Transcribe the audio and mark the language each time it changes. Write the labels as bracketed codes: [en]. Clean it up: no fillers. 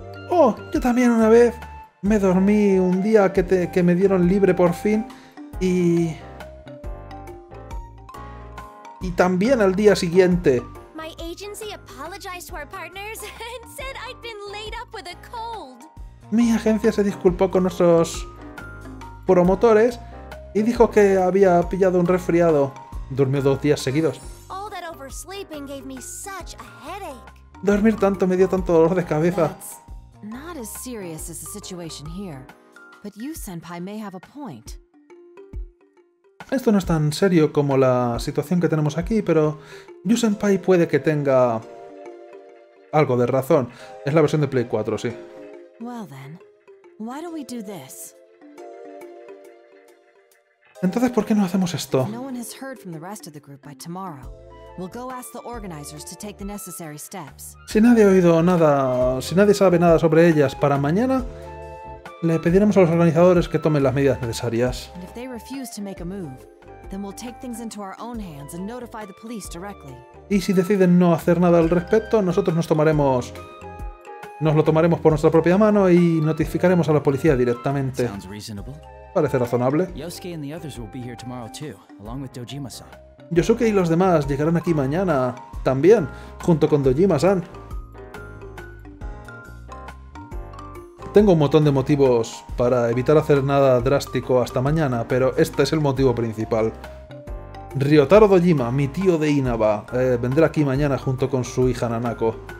[es] Oh, yo también una vez me dormí un día que me dieron libre por fin y también al día siguiente. [en] My agency apologized to our partners and said I'd been laid up with a cold. [es] Mi agencia se disculpó con nuestros promotores y dijo que había pillado un resfriado. Durmió dos días seguidos. [en] All that oversleeping gave me such a headache. [es] Dormir tanto me dio tanto dolor de cabeza. [en] Not as serious as the situation here, but you, senpai, may have a point. [es] Esto no es tan serio como la situación que tenemos aquí, pero Yu-senpai puede que tenga algo de razón. Es la versión de Play 4, sí. [en] Well then, why don't we do this? [es] Entonces, ¿por qué no hacemos esto? [en] No one has heard from the rest of the group by tomorrow. We'll go ask the organizers to take the necessary steps. [es] Si nadie ha oído nada, si nadie sabe nada sobre ellas para mañana, le pediremos a los organizadores que tomen las medidas necesarias. [en] If they refuse to make a move, then we'll take things into our own hands and notify the police directly. [es] Y si deciden no hacer nada al respecto, nosotros nos lo tomaremos por nuestra propia mano y notificaremos a la policía directamente. [en] Sounds reasonable. [es] Parece razonable. [en] Yosuke and the others will be here tomorrow too, along with Dojima-san. [es] Yosuke y los demás llegarán aquí mañana también, junto con Dojima-san. Tengo un montón de motivos para evitar hacer nada drástico hasta mañana, pero este es el motivo principal. Ryotaro Dojima, mi tío de Inaba, vendrá aquí mañana junto con su hija Nanako.